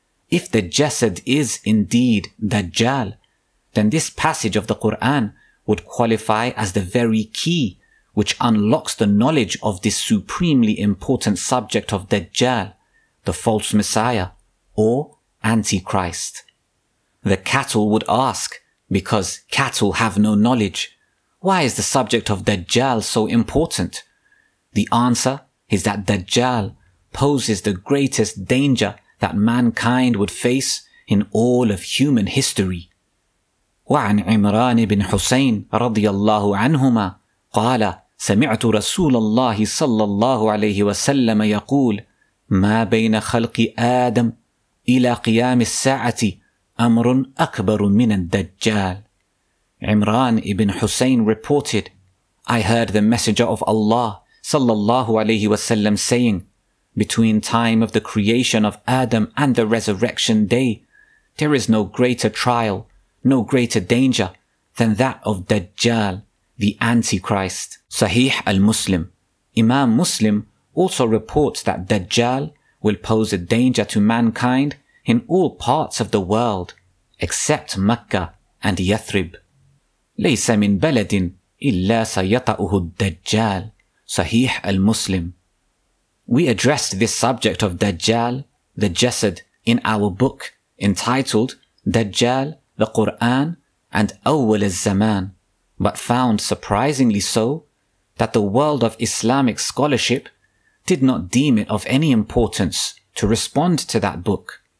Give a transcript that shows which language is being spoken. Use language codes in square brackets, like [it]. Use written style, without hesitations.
[en] If the Jasad is indeed Dajjal, then this passage of the Qur'an would qualify as the very key which unlocks the knowledge of this supremely important subject of Dajjal, the false messiah, or Antichrist. The cattle would ask, because cattle have no knowledge, Why is the subject of Dajjal so important? The answer is that Dajjal poses the greatest danger that mankind would face in all of human history. [ar] وعن عمران بن حسين رضي الله عنهما قال سمعت رسول الله صلى الله عليه وسلم يقول ما بين خلق آدم إلى قيام الساعة أمر أكبر من الدجال. [en] Imran bin Husain reported, I heard the Messenger of Allah [ar] صلى الله عليه وسلم [en] saying, between time of the creation of Adam and the resurrection day, there is no greater trial, no greater danger than that of Dajjal, the Antichrist. Sahih al-Muslim. Imam Muslim also reports that Dajjal will pose a danger to mankind in all parts of the world, except Makkah and Yathrib. [ar] ليس من بلد إلا سيطأه الدجال. [en] Sahih al-Muslim. We addressed this subject of Dajjal, the Jasad, in our book entitled Dajjal, the Qur'an and Awwal al-Zaman, but found surprisingly so that the world of Islamic scholarship did not deem it of any importance to respond to that book.